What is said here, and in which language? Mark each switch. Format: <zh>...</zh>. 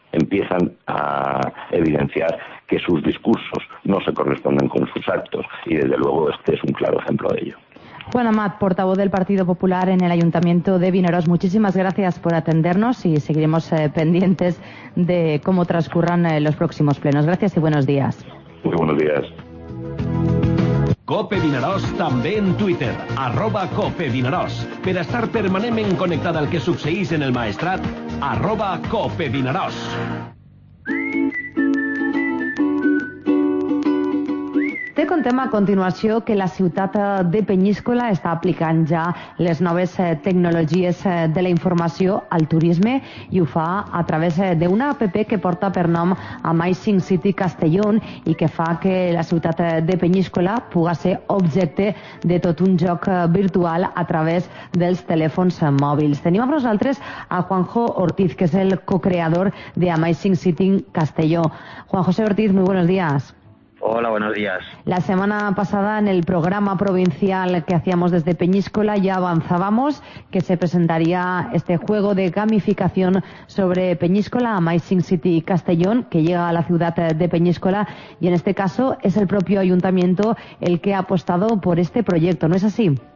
<es>Empiezan a evidenciar que sus discursos no se corresponden con sus actos y desde luego este es un claro ejemplo de ello. Juan Amat, portavoz del Partido Popular en el Ayuntamiento de Vinaroz, muchísimas gracias por atendernos y seguiremos pendientes de cómo transcurran los próximos plenos. Gracias y buenos días. Muy buenos días.</es> <ca>Cope Vinaròs també en Twitter, @copevinaròs. Per estar permanentment connectat al que succeeix en el Maestrat, @copevinaròs. Té com tema a continuació que la ciutat de Peníscola està aplicant ja les noves tecnologies de la informació al turisme i ho fa a través d'una app que porta per nom Amazing City Castellón i que fa que la ciutat de Peníscola puga ser objecte de tot un joc virtual a través dels telèfons mòbils. Tenim amb nosaltres a Juanjo Ortiz, que és el co-creador de Amazing City Castelló.</ca> <es>Juan José Ortiz, muy buenos días. Hola, buenos días. La semana pasada en el programa provincial que hacíamos desde Peñíscola ya avanzábamos que se presentaría este juego de gamificación sobre Peñíscola, Amazing City Castellón, que llega a la ciudad de Peñíscola y en este caso es el propio ayuntamiento el que ha apostado por este proyecto, ¿no es así?</es>